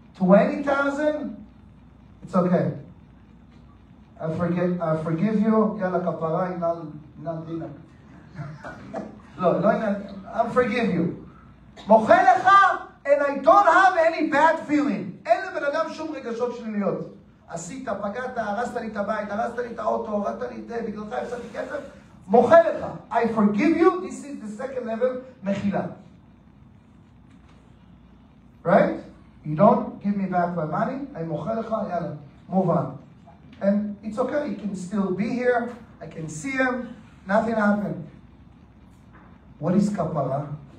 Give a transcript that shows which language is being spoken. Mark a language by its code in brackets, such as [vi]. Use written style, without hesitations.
[en] 20,000? It's okay. I forgive you. [he] Yalla kapara, inal dina. [en] Look, I'm forgive you. [he] מוחל לך, [en] and I don't have any bad feeling. [he] אין לבן אדם שום רגשות שליליות. עשית, פגעת, הרסת לי את הבית, הרסת לי את האוטו, הורדת לי את זה, בגללך הפסדתי כסף. מוחל לך. [en] I forgive you, this is the second level, מחילה. Right? You don't give me back my money, I [he] מוחל לך, יאללה, [en] move on. And it's okay, you can still be here, I can see him, nothing happened. What is kapara?